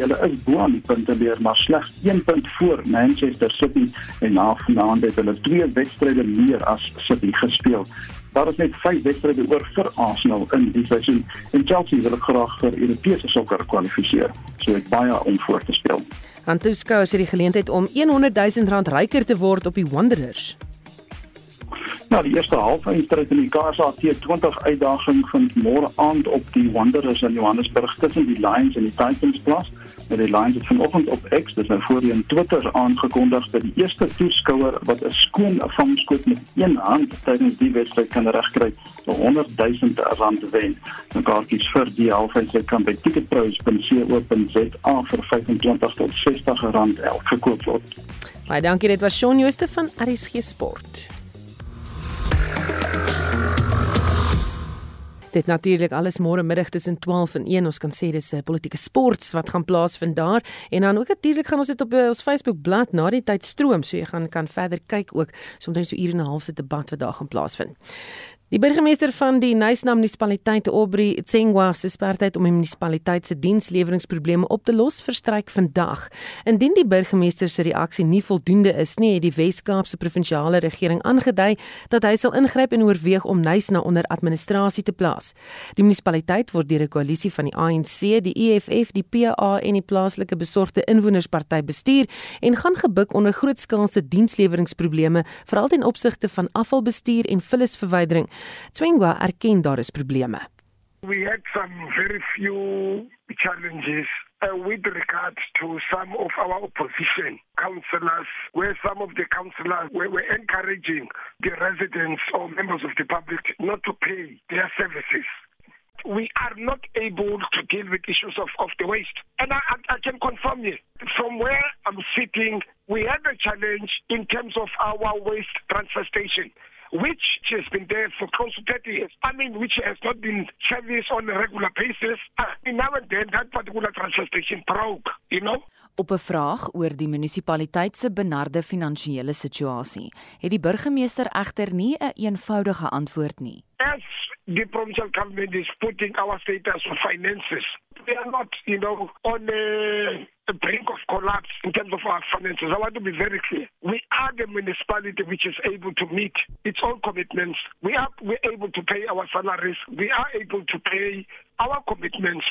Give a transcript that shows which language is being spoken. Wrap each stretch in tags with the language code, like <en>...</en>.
<af>Hulle is bo aan die punte weer, maar slegs 1 punt voor Manchester City en na vanaand het hulle 2 wedstryde meer as City gespeel. Daar is net 5 wedstryde oor vir Arsenal in die seisoen en Chelsea wil graag vir Europese sokker kwalifiseer. So het baie om voor te speel. Aan toeskouers het die geleentheid om R100.000 ryker te word op die Wanderers. Nou, die eerste halfeindstryd in die KSA T20 uitdaging vind môre aand op die Wanderers in Johannesburg tussen die Lions en die Titans plaas. Met die Lions het vanoggend op X, dis nou voorheen Twitter, aangekondig dat die eerste toeskouer wat 'n skoon vangskoot met een hand tydens die wedstryd kan regkry, R100.000 wen. Nou, kaartjies vir die halfeindstryd kan by ticketprice.co.za vir R25 tot R60 elk gekoop word. Baie dankie, dit was Sean Jooste van RSG Sport. Dit natuurlik alles môre middag tussen 12 en 1. Ons kan sê dis 'n politieke sports wat gaan plaasvind daar. En dan ook natuurlik gaan ons dit op ons Facebook blad na die tyd stroom, so jy gaan kan verder kyk ook. Soms net so 1.5 ure se debat wat daar gaan plaasvind. Die burgemeester van die Nyasina munisipaliteit, Aubrey Tsengwa, se spertyd om die munisipaliteit se diensleweringprobleme op te los verstryk vandag. Indien die burgemeester se reaksie nie voldoende is nie, het die Wes-Kaapse provinsiale regering aangedui dat hy sal ingryp en oorweeg om Nyasina onder administrasie te plaas. Die munisipaliteit word deur 'n koalisie van die ANC, die EFF, die PA en die plaaslike besorgde inwonersparty bestuur en gaan gebuk onder grootskaalse diensleweringprobleme, veral ten opsigte van afvalbestuur en vullisverwydering. Tsengwa erken daar is probleme.</af> <en>We had some very few challenges with regard to some of our opposition councillors, where some of the councillors were encouraging the residents or members of the public not to pay their services. We are not able to deal with issues of the waste. And I can confirm you, from where I'm sitting, we had a challenge in terms of our waste transfer station, which has been there for close to 30 years. I mean, which has not been serviced on a regular basis. Now and then, that particular transfer station broke, you know?</en> <af>Op 'n vraag oor die munisipaliteit se benarde finansiële situasie, het die burgemeester egter nie 'n eenvoudige antwoord nie.</af> <en>As the provincial government is putting our status of finances, we are not, you know, on the brink of collapse in terms of our finances. I want to be very clear. We are the municipality which is able to meet its own commitments. We're able to pay our salaries. We are able to pay our commitments.</en>